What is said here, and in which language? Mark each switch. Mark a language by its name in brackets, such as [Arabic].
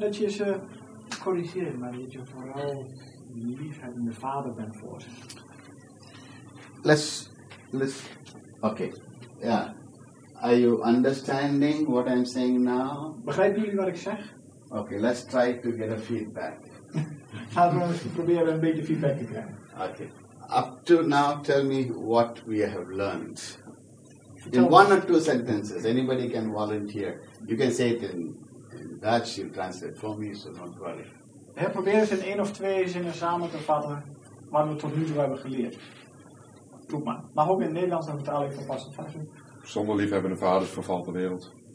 [Dutch] Dat je ze corrigeert, maar dat je vooral liefhebbende vader bent voor ze. Let's. Oké. Okay. Ja. [English] Are you understanding what I'm saying now? [Dutch] Begrijpen jullie wat ik zeg? [English] Oké, okay, let's try to get a feedback. [Dutch] Laten we proberen een beetje feedback te krijgen. Oké. [English] Up to now, tell me what we have learned. In one or two sentences, anybody can volunteer. You can say it in Dutch, you translate for me, so don't worry. [Dutch] We proberen het in één of twee zinnen samen te vatten wat we tot nu toe hebben geleerd. Doe maar. Mag ook in Nederlands een vertaling van passend vatten. Zonder liefhebbende vaders vervalt de wereld.